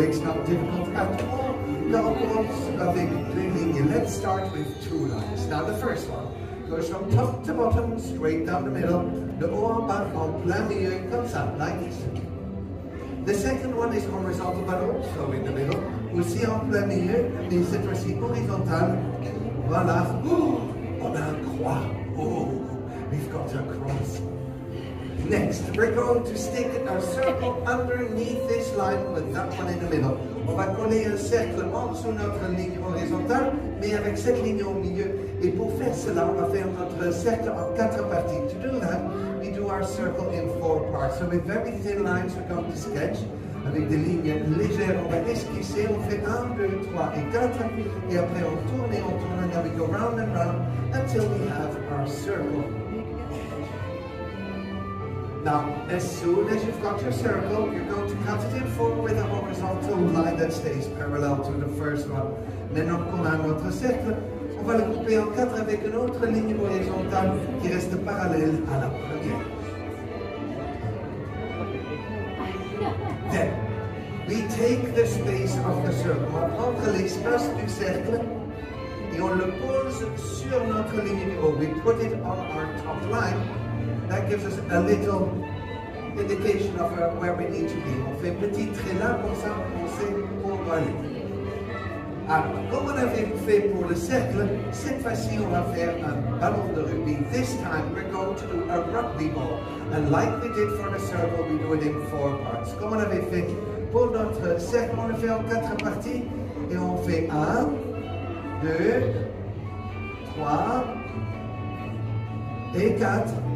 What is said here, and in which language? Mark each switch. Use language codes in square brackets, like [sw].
[en] It's not difficult at all. Now, what's a big thing? Let's start with two lines. Now, the first one goes from top to bottom, straight down the middle. [fr] Le haut en bas, en plein milieu, comme ça, [en] like this. The second one is horizontal, but also in the middle. [fr] Aussi en plein milieu, mais cette fois-ci horizontal. Voilà. Ooh, on a un croix. [en] Oh, we've got a cross. Next, we're going to stick a circle underneath this line with that one in the middle. [fr] On va coller un cercle en dessous de notre ligne horizontale, mais avec cette ligne au milieu. Et pour faire cela, on va faire notre cercle en quatre parties. [en] To do that, we do our circle in four parts. So with very thin lines, we're going to sketch. [fr] Avec des lignes légères, on va esquisser. On fait un, deux, trois et quatre. Et après, on tourne et on tourne. [en] And then we go round and round until we have our circle. Now, as soon as you've got your circle, you're going to cut it in four with a horizontal line that stays parallel to the first one. [fr] Maintenant qu'on a notre cercle, on va le couper en quatre avec une autre ligne horizontale qui reste parallèle à la première. [en] Then, we take the space of the circle. [fr] On prend l'espace du cercle et on le pose sur notre ligne numéro. [en] We put it on our top line. That gives us a little indication of where we need to be. [fr] On fait petit trait là pour ça, on sait où on va aller. Alors, comme on avait fait pour le cercle, cette fois-ci on va faire un ballon de rugby. [en] This time we're going to do a rugby ball. And like we did for the circle, we do it in four parts. [fr] Comme on avait fait pour notre cercle, on le fait en quatre parties. Et on fait un, deux, trois et quatre.